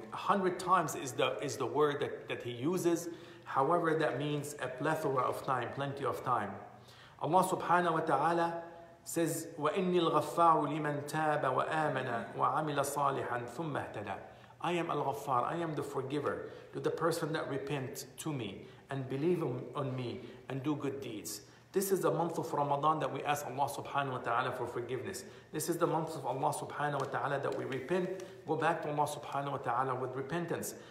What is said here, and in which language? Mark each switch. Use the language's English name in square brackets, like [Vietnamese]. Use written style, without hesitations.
[English] 100 times is the word that he uses. However, that means a plethora of time, plenty of time. [Arabic] Allah subhanahu wa ta'ala says, وَإِنِّي الْغَفَّارُ لِمَنْ تَابَ وَآمَنَ وَعَمِلَ صَالِحًا ثُمَّ اهْتَدَى. [English] I am al-ghaffar, I am the forgiver to the person that repent to me and believe on me and do good deeds. This is the month of Ramadan that we ask Allah subhanahu wa ta'ala for forgiveness. This is the month of Allah subhanahu wa ta'ala that we repent, go back to Allah subhanahu wa ta'ala with repentance.